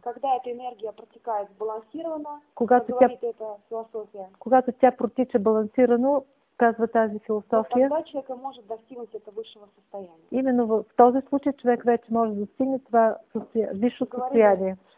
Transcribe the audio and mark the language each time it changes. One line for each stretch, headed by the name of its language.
Russian: Когда эта энергия протекает балансирано,
Bulgarian: когато тя, когато тя протича балансирано, казва тази философия,
Russian: тогда человек может достигнуть это высшего состояния.
Bulgarian: Именно в този случай човек вече може да достигне това висше състояние.